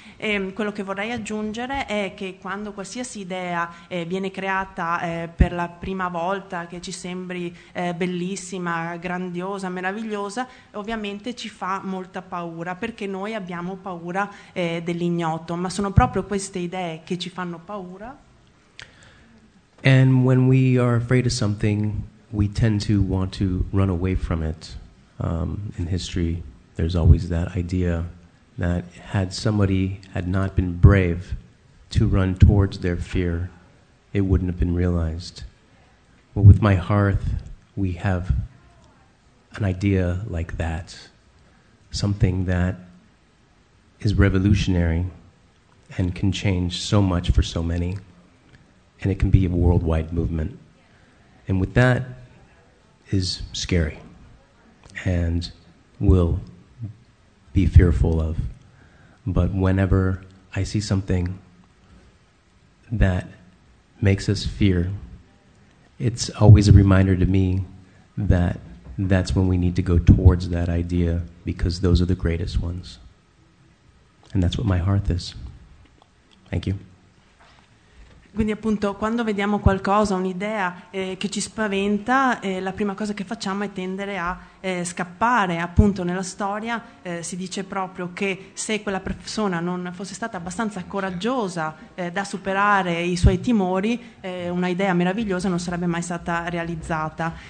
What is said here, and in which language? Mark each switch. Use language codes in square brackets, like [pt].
[it] Quello che vorrei aggiungere è che quando qualsiasi idea viene creata per la prima volta, che ci sembri bellissima, grandiosa, meravigliosa, ovviamente ci fa molta paura, perché noi abbiamo paura dell'ignoto, ma sono proprio queste idee che ci fanno paura. [en] And when we are afraid of something, we tend to want to run away from it. In history, there's always that idea that had somebody had not been brave to run towards their fear, it wouldn't have been realized. But with My Hearth, we have an idea like that, something that is revolutionary and can change so much for so many, and it can be a worldwide movement. And with that is scary and will be fearful of. But whenever I see something that makes us fear, it's always a reminder to me that that's when we need to go towards that idea, because those are the greatest ones. And that's what My Hearth is. Thank you. [it] Quindi appunto, quando vediamo qualcosa, un'idea che ci spaventa, la prima cosa che facciamo è tendere a scappare. Appunto, nella storia si dice proprio che se quella persona non fosse stata abbastanza coraggiosa da superare i suoi timori, una idea meravigliosa non sarebbe mai stata realizzata.